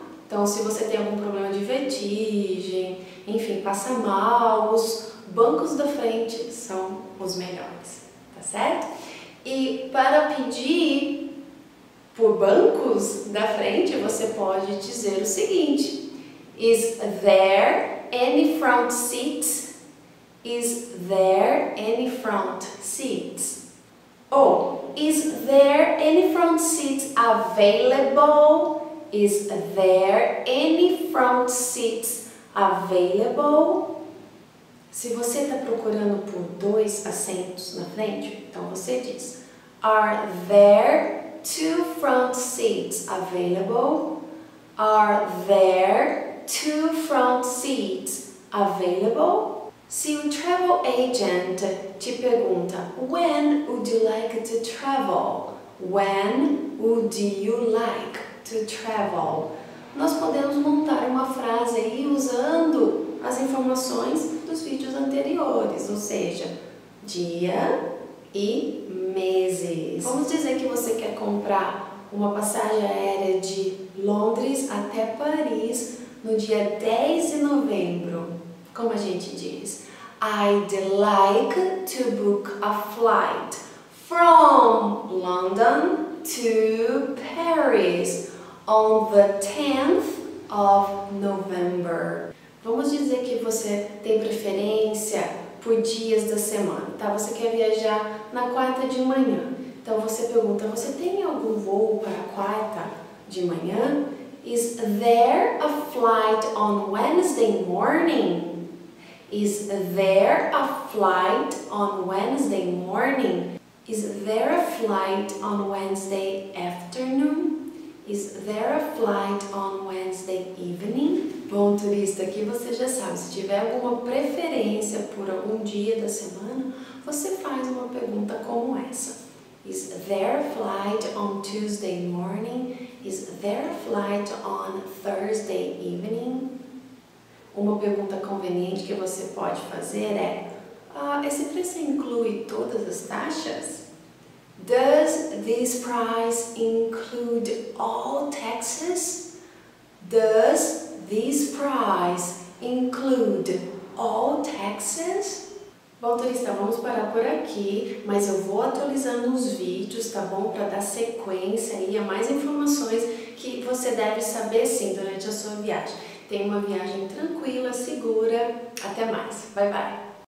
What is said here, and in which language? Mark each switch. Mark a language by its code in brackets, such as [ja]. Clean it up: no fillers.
[pt] Então, se você tem algum problema de vertigem, enfim, passa mal, os bancos da frente são os melhores, tá certo? E para pedir por bancos da frente, você pode dizer o seguinte: [en] Is there any front seats? Is there any front seats? Oh, is there any front seats available? Is there any front seats available? [pt] Se você está procurando por dois assentos na frente, então você diz: [en] Are there two front seats available? Are there two front seats available? [pt] Se um [en] travel agent [pt] te pergunta: [en] When would you like to travel? When would you like to travel? [pt] Nós podemos montar uma frase aí usando as informações dos vídeos anteriores, ou seja, dia e meses. Vamos dizer que você quer comprar uma passagem aérea de Londres até Paris no dia 10 de novembro. Como a gente diz? [en] I'd like to book a flight from London to Paris on the 10th of November. [pt] Vamos dizer que você tem preferência por dias da semana, tá? Você quer viajar na quarta de manhã. Então você pergunta: Você tem algum voo para quarta de manhã? [en] Is there a flight on Wednesday morning? Is there a flight on Wednesday morning? Is there a flight on Wednesday afternoon? Is there a flight on Wednesday evening? [pt] Bom, turista, aqui você já sabe, se tiver alguma preferência por algum dia da semana, você faz uma pergunta como essa. [en] Is there a flight on Tuesday morning? Is there a flight on Thursday evening? [pt] Uma pergunta conveniente que você pode fazer é: esse preço inclui todas as taxas? [en] Does this price include all taxes? Does this price include all taxes? [pt] Bom, turista, vamos parar por aqui, mas eu vou atualizando os vídeos, tá bom? Para dar sequência aí a mais informações que você deve saber sim durante a sua viagem. Tenha uma viagem tranquila, segura. Até mais. [en] Bye, bye.